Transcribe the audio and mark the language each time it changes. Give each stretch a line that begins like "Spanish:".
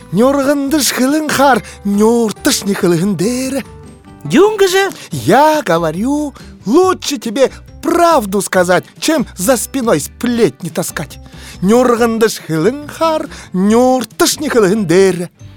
Nganasan: Нюргандыш хылын хар, нюртыш не хылын дэрэ. Дюнга же.
Russian: Я говорю, лучше тебе правду сказать, чем за спиной сплетни таскать.
Nganasan: Нюргандыш хылын хар, нюртыш не хылын дэрэ.